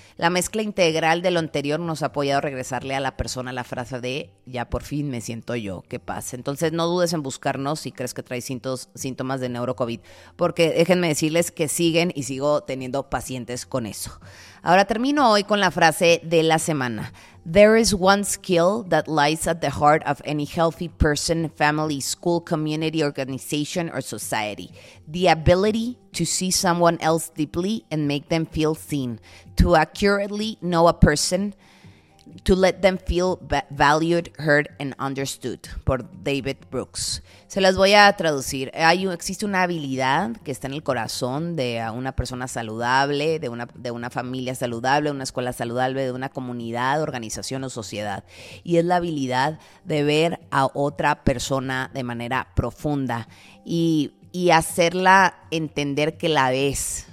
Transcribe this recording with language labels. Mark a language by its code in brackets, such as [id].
[es] La mezcla integral de lo anterior nos ha apoyado a regresarle a la persona la frase de ya por fin me siento yo, qué pasa. Entonces no dudes en buscarnos si crees que traes síntomas de neuro-COVID, porque déjenme decirles que siguen y sigo teniendo pacientes con eso. Ahora termino hoy con la frase de la semana. [en] There is one skill that lies at the heart of any healthy person, family, school, community, organization, or society. The ability to see someone else deeply and make them feel seen. To accurately know a person. To let them feel valued, heard, and understood. [es] Por David Brooks. Se las voy a traducir. Existe una habilidad que está en el corazón de una persona saludable, de una familia saludable, una escuela saludable, de una comunidad, organización o sociedad. Y es la habilidad de ver a otra persona de manera profunda y hacerla entender que la ves.